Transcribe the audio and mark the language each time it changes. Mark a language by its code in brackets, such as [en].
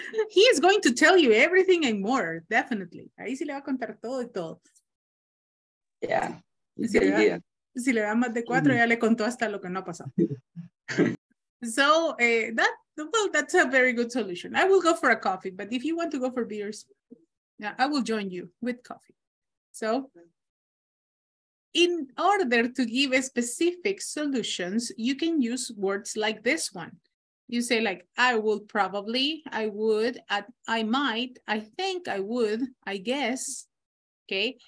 [en] He is going to tell you everything and more, definitely. [es] Ahí sí le va a contar todo y todo. [en] Yeah. [es] Si le da más de 4, ya le contó hasta lo que no ha pasado. [en] So, that's a very good solution. I will go for a coffee, but if you want to go for beers, I will join you with coffee. So, in order to give a specific solutions, you can use words like this one. You say like, I will probably, I would, I might, I think, I would, I guess, okay?